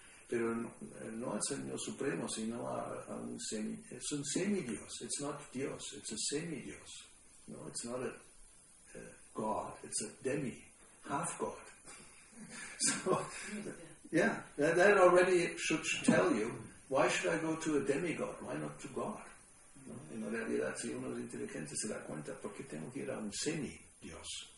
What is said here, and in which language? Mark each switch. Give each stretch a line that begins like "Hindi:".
Spanish: pero no al Señor Supremo, sino a un semi, es un semi-Dios.
English: It's not Dios, it's a semi-Dios. No, it's not a God, it's a demi, half-God. So, yeah, that already should tell you, why should I go to a demigod? Why not to God? No?
Spanish: En realidad, si uno es inteligente, se da cuenta, ¿por qué tengo que ir a un semi-Dios?